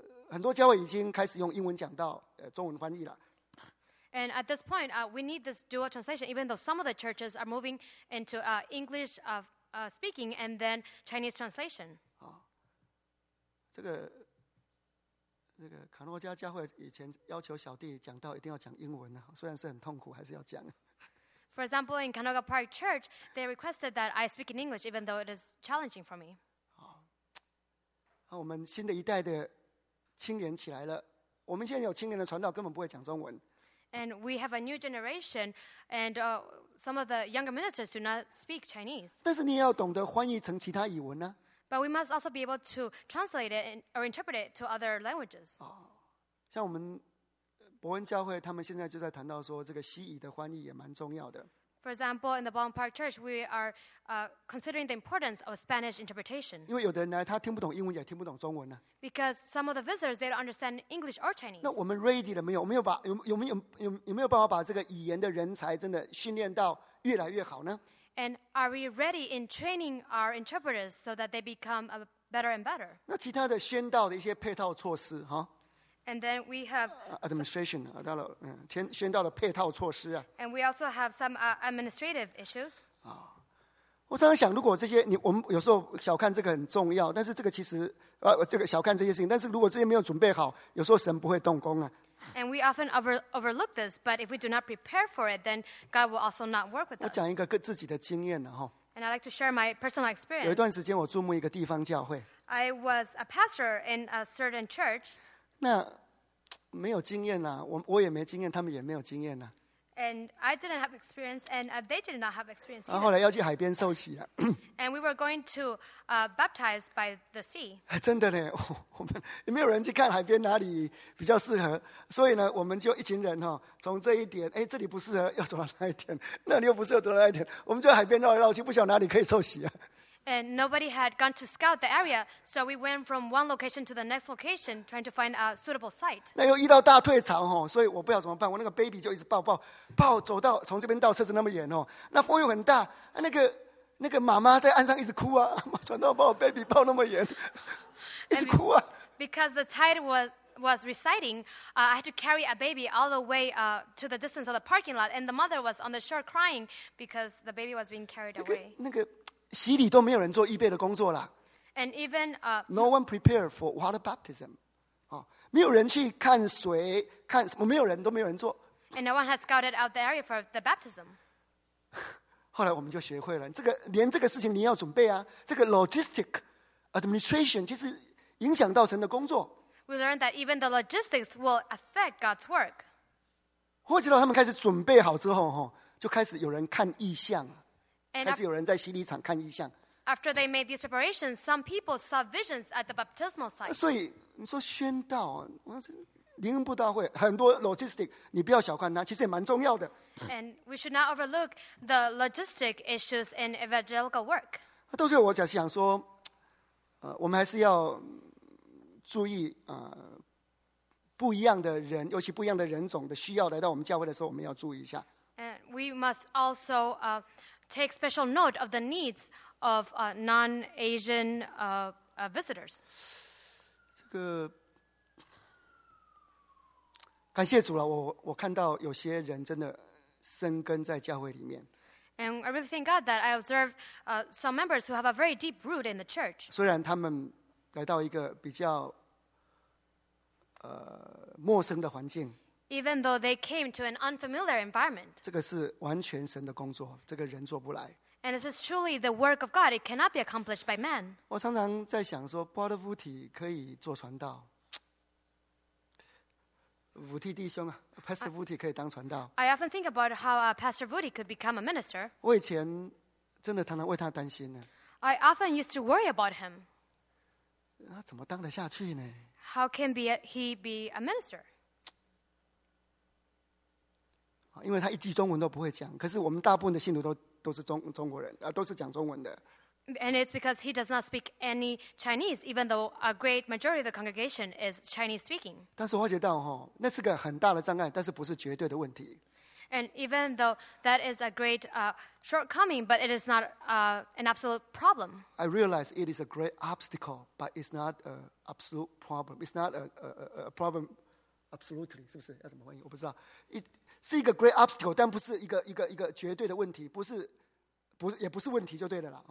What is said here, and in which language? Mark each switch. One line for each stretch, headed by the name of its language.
Chinese: 很多教会已经开始用英文讲道，中文翻译了。
English: And at this point, we need this dual translation. Even though some of the churches are moving into English of speaking and then Chinese translation.
Chinese: 这个卡诺加教会以前要求小弟讲到一定要讲英文、啊、虽然是很痛苦还是要讲。
English: For example, in Canoga Park Church, they requested that I speak in English, even though it is challenging for me.、
Chinese: 哦、我们新的一代的青年起来了，我们现在有青年的传道根本不会讲中文。
English: And we have a new generation, and some of the younger ministers do not speak Chinese.
Chinese: 但是你也要懂得翻译成其他语文呢、啊。
English: But we must also be able to translate it or interpret it to other languages.
Chinese: 像我们伯恩教会，他们现在就在谈到说，这个西语的翻译也蛮重要的。
English: For example, in the Bowen Park Church, we are considering the importance of Spanish interpretation.
Chinese: 因为有的人呢，他听不懂英文，也听不懂中文呢。
English: Because some of the visitors they don't understand English or Chinese.
Chinese: 那我们 ready 了没有？有没有办法把这个语言的人才真的训练到越来越好呢？
English: And are we ready in training our interpreters so that they become better and better?
Chinese: 那其他的宣道的一些配套措施哈。
English: And then we have
Chinese: administration 到了宣道的配套措施啊。
English: And we also have some administrative issues.
Chinese: 我常常想，如果这些我们有时候小看这个很重要，但是这个其实这个小看这些事情，但是如果这些没有准备好，有时候神不会动工啊。
English: And we often overlook this, but if we do not prepare for it, then God will also not work with us.
Chinese: 我讲一个自己的经验了哈。
English: And I like to share my personal experience.
Chinese: 有一段时间我注目一个地方教会。
English: I was a pastor in a certain church.
Chinese: 那没有经验啊，我也没经验，他们也没有经验啊。
English: And I didn't have experience, and they did not have experience.
Chinese: 然后后来要去海边受洗啊。
English: And we were going to baptize by the sea.
Chinese: 真的呢，我们也没有人去看海边哪里比较适合，所以呢，我们就一群人哈、哦，从这一点，哎，这里不适合，要走到那一点，那里又不适合，走到那一点，我们就海边绕来绕去，不晓得哪里可以受洗啊。
English: And nobody had gone to scout the area, so we went from one location to the next location, trying to find a suitable site.
Chinese: 那又遇到大退潮哈，所以我不知道怎么办。我那个 baby 就一直抱抱抱，走到从这边到车子那么远哦，那风又很大，那个妈妈在岸上一直哭啊，转到把我 baby 抱那么远，一直哭啊。
English: Because the tide was receding, I had to carry a baby all the way to the distance of the parking lot, and the mother was on the shore crying because the baby was being carried away.
Chinese: 那个洗礼都没有人做预备的工作了
English: ，and even no one prepared for water baptism，
Chinese: 啊、哦，没有人去看水，看什么？没有人都没有人做
English: ，and no one has scouted out the area for the baptism。
Chinese: 后来我们就学会了，这个连这个事情你要准备啊，这个 logistic administration 其实影响到神的工作。
English: We learned that even the logistics will affect God's work。
Chinese: 我知道他们开始准备好之后，就开始有人看异象。开始有人在洗礼场看异象。
English: After they made these preparations, some people saw visions at the baptismal site.
Chinese: 所以你说宣道，灵恩布道会很多 logistic， 你不要小看它，其实也蛮重要的。
English: And we should not overlook the logistic issues in evangelical work.
Chinese: 到最后我想说，我们还是要注意不一样的人，尤其不一样的人种的需要来到我们教会的时候，我们要注意一下。
English: And we must also take special note of the needs of non-Asian visitors.
Chinese: 这个感谢主了，我看到有些人真的生根在教会里面。
English: And I really thank God that I observed some members who have a very deep root in the church.
Chinese: 虽然他们来到一个比较陌生的环境。
English: Even though they came to an unfamiliar environment.
Chinese: 这个是完全神的工作，这个人做不来。
English: And this is truly the work of God. It cannot be accomplished by man.
Chinese: 我常常在想说，波特夫体可以做传道，武体弟兄啊 ，Pastor Vuti 可以当传道。
English: I often think about how a Pastor Vuti could become a minister.
Chinese: 我以前真的常常为他担心呢。
English: I often used to worry about him.
Chinese: 他怎么当得下去呢
English: ？How can be he be a minister？
Chinese: 因为他一句中文都不会讲，可是我们大部分的信徒都是中国人，都是讲中文的。
English: And it's because he does not speak any Chinese, even though a great majority of the congregation is Chinese speaking.
Chinese: 但是我觉得哈，那是个很大的障碍，但是不是绝对的问题。
English: And even though that is a great shortcoming, but it is not an absolute problem. I realize it is a great obstacle, but it's not an absolute problem. It's not a problem absolutely,
Chinese: 是不是？要怎么翻译？我不知道。是一个
English: great obstacle，
Chinese: 但不是一个绝对的问题，不是也不是问题就对了啦。